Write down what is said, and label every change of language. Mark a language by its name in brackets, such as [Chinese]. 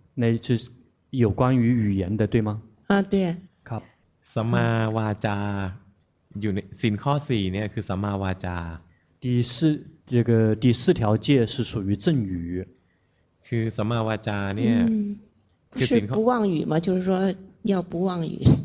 [Chinese] 那是有关于语言的对吗啊对 [Thai] ครับ สัมมาวาจาอยู่ในศีลข้อ4เนี่ยคือสัมมาวาจา [Chinese] 第四这个第四条戒是属于正语 [Thai] คือสัมมาวาจาเนี่ย [Chinese] 不是不妄语吗就是说要不妄语